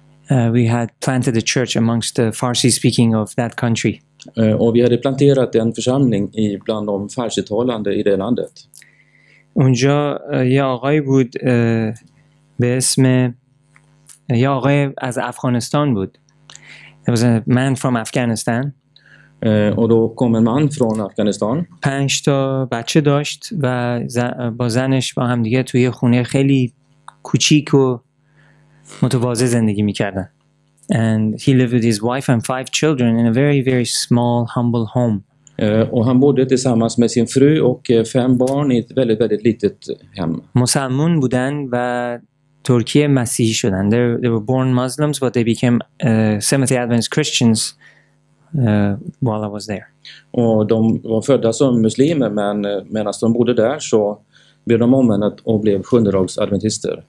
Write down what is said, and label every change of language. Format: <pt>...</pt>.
<en>We had planted a church amongst the Farsi speaking of that country.</en> <sv>Och vi hade planterat en församling bland de farsitalande i det landet.</sv> <fa>اونجا یه آقای بود به اسم یه آقای از افغانستان بود.</fa> <en>There was a man from Afghanistan.</en> <sv>Och då kom en man från Afghanistan.</sv> <fa>پنج تا بچه داشت و با زنش با هم دیگه توی خونه خیلی کوچیک و متواضع زندگی می‌کردن.</fa> <en>And he lived with his wife and five children in a very very small humble home.</en> <sv>Och han bodde tillsammans med sin fru och fem barn i ett väldigt väldigt litet hem.</sv> <fa>مسلمان بودن و ترکیه مسیحی شدن.</fa> <en>They were born Muslims but they became Seventh-day Adventist Christians. While I was there.</en> <sv>Och de var födda som muslimer, men medan de bodde där så blev de omvända och blev sjundedagsadventister.</sv>